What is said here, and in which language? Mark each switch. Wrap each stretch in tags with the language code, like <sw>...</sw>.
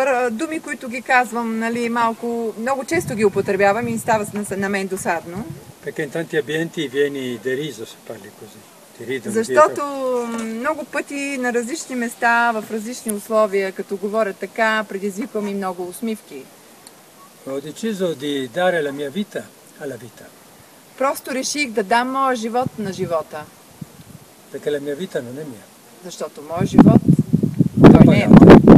<bg>Думи, които ги казвам, нали, малко, много често ги употребявам и става на мен досадно.</bg> <it>Perché in tanti ambienti vieni deriso se parli così. Ti ridono.</it> <bg>Защото много пъти на различни места, в различни условия, като говоря така, предизвиквам и много усмивки.</bg> <it>Ho deciso di dare la mia vita alla vita.</it> <bg>Просто реших да дам моя живот на живота.</bg> <it>Perché la mia vita non è mia.</it> <bg>Защото моя живот, той не е мой.</bg>